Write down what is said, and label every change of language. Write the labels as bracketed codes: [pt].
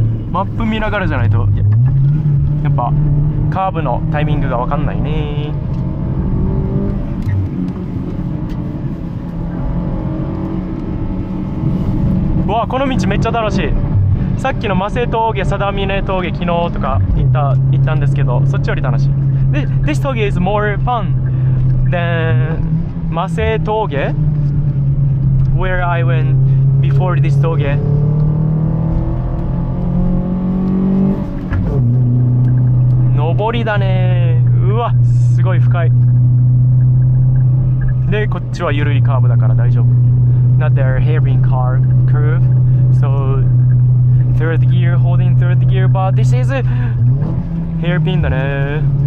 [ja] マップ見ながらじゃないと、やっぱカーブのタイミングが分かんないね。うわ、この道めっちゃ楽しい。さっきの増峠、定峰峠、昨日とか行ったんですけど、そっちより楽しい。 [en] で、This 峠 is more fun than 増峠 where I went before this 峠。 [ja] 登りだね。うわ、すごい深い。で、こっちは緩いカーブだから大丈夫。 [en] Not their hairpin curve. So third gear, holding third gear, but this is hairpin だね。